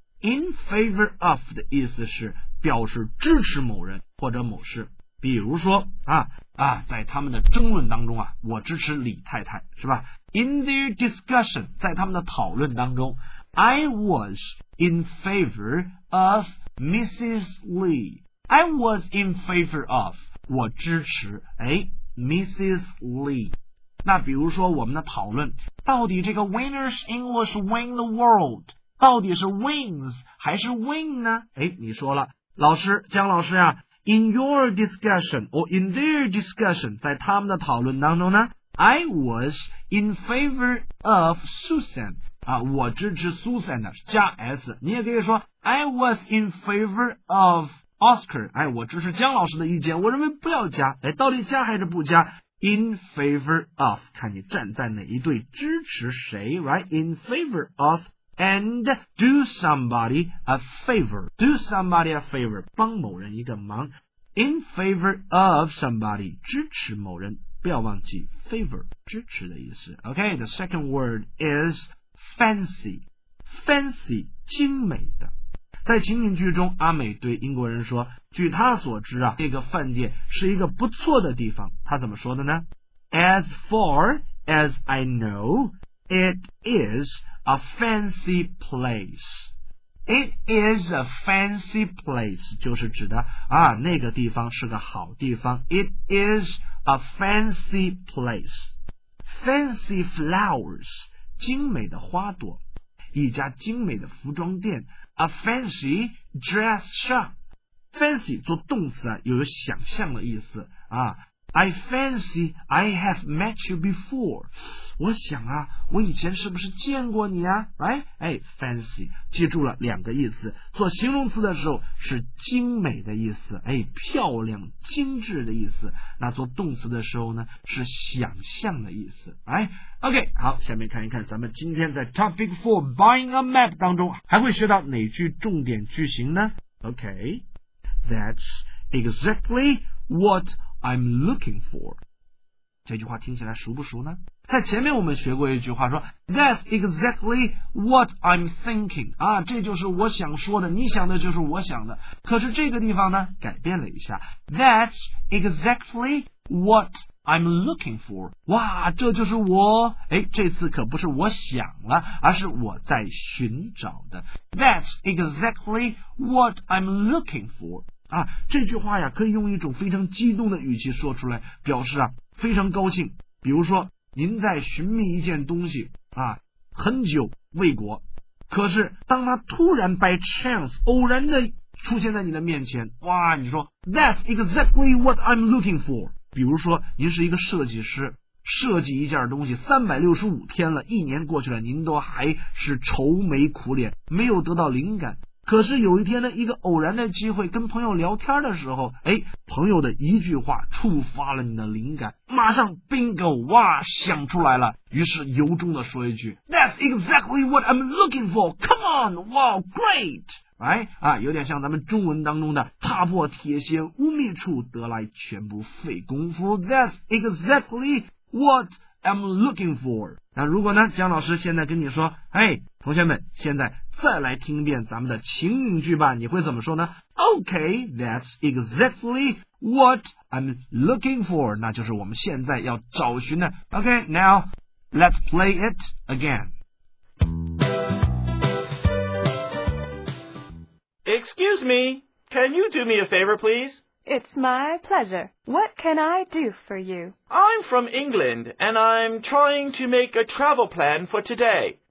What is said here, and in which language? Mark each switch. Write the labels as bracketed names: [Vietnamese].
[Chinese] in favor of 的意思是表示支持某人或者某事。比如说啊，在他们的争论当中啊，我支持李太太，是吧 ？ [English] In their discussion， [Chinese] 在他们的讨论当中 ， [English] I was in favor of Mrs. Lee. I was in favor of， [Chinese] 我支持哎 [English] ，Mrs. Lee。 [Chinese] 那比如说我们的讨论，到底这个 Winners English win the world， 到底是 wins 还是 win 呢？哎，你说了，老师江老师啊。 [English] In your discussion or in their discussion， [Chinese] 在他们的讨论当中呢 [English] ，I was in favor of Susan 啊， [Chinese] 我支持 Susan 的加 S。你也可以说 [English] I was in favor of Oscar， [Chinese] 哎，我支持江老师的意见，我认为不要加。哎，到底加还是不加 ？ [English] In favor of， [Chinese] 看你站在哪一队，支持谁 ，right？ [English] In favor of。 And do somebody a favor. Do somebody a favor. [Chinese] 帮某人一个忙。 [English] In favor of somebody. [Chinese] 支持某人。不要忘记 favor. 支持的意思。 [English] Okay, the second word is fancy. [Chinese] Fancy, 精美的。在情景剧中阿美对英国人说据他所知啊这个饭店是一个不错的地方。他怎么说的呢 ? [English] As far as I know, It is a fancy place. It is a fancy place. [Chinese] 就是指的啊，那个地方是个好地方。 [English] It is a fancy place. Fancy flowers. [Chinese] 精美的花朵。一家精美的服装店。 [English] A fancy dress shop. [Chinese] Fancy 做动词啊，有想象的意思啊。 [English] I fancy I have met you before. [Chinese] 我想啊，我以前是不是见过你啊 ？Right? 哎 ，fancy， 记住了两个意思。做形容词的时候是精美的意思，哎，漂亮、精致的意思。那做动词的时候呢，是想象的意思。 Right? OK， 好，下面看一看咱们今天在 [English] Topic 4 Buying a Map [Chinese] 当中还会学到哪句重点句型呢 ？OK， [English] That's exactly what I'm looking for. [Chinese] 这句话听起来熟不熟呢？在前面我们学过一句话说 [English] That's exactly what I'm thinking. [Chinese] 啊，这就是我想说的，你想的就是我想的。可是这个地方呢，改变了一下。 [English] That's exactly what I'm looking for. [Chinese] 哇，这就是我，哎，这次可不是我想了，而是我在寻找的。 [English] That's exactly what I'm looking for. [Chinese] 啊，这句话呀可以用一种非常激动的语气说出来，表示啊非常高兴。比如说您在寻觅一件东西啊很久未果，可是当它突然 by chance 偶然的出现在你的面前，哇，你说 [English] That's exactly what I'm looking for。 [Chinese] 比如说您是一个设计师，设计一件东西365天了，一年过去了，您都还是愁眉苦脸，没有得到灵感。可是有一天呢，一个偶然的机会，跟朋友聊天的时候，哎，朋友的一句话触发了你的灵感，马上 bingo， 哇，想出来了。于是由衷的说一句 ， [English] That's exactly what I'm looking for. Come on, wow, great. [Chinese] 哎啊，有点像咱们中文当中的踏破铁鞋无觅处，得来全不费工夫。 [English] That's exactly what I'm looking for. [Chinese] 那如果呢，姜老师现在跟你说，哎，同学们，现在再来听一遍咱们的情景剧吧，你会怎么说呢 ？ [English] OK, that's exactly what I'm looking for. [Chinese] 那就是我们现在要找寻的。 [English] OK, now let's play it again. Excuse me, can you do me a favor, please? It's my pleasure. What can I do for you? I'm from England, and I'm trying to make a travel plan for today.